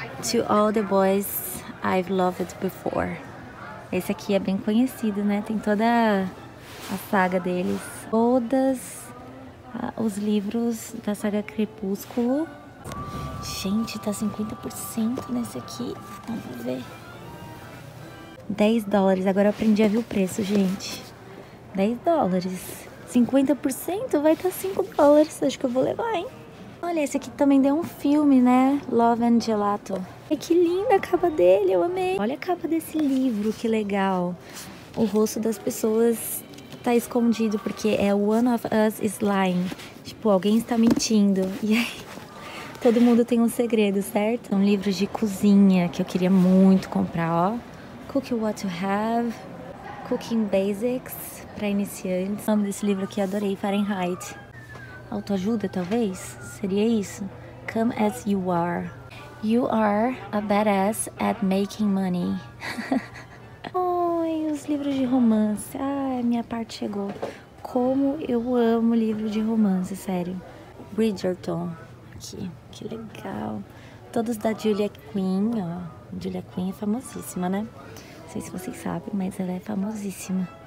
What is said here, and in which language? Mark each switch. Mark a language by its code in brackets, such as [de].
[en] To all the boys I've loved before. [pt] Esse aqui é bem conhecido, né? Tem toda a saga deles. Todos os livros da saga Crepúsculo. Gente, tá 50% nesse aqui. Vamos ver. 10 dólares. Agora eu aprendi a ver o preço, gente. 10 dólares. 50% vai estar 5 dólares. Acho que eu vou levar, hein? Olha, esse aqui também deu um filme, né? Love and Gelato. Ai, que linda a capa dele, eu amei. Olha a capa desse livro, que legal. O rosto das pessoas tá escondido, porque é One of Us is Lying. Tipo, alguém está mentindo. E aí, todo mundo tem um segredo, certo? Um livro de cozinha que eu queria muito comprar, ó. Cook What You Have. Cooking Basics, pra iniciantes. O nome desse livro aqui, adorei, Fahrenheit. Autoajuda, talvez? Seria isso? Come as you are. [en] You are a badass at making money. [pt] Ai, os livros de romance. Ai, minha parte chegou. Como eu amo livro de romance, sério. Bridgerton. Aqui, que legal. Todos da Julia Quinn, ó. Julia Quinn é famosíssima, né? Não sei se vocês sabem, mas ela é famosíssima.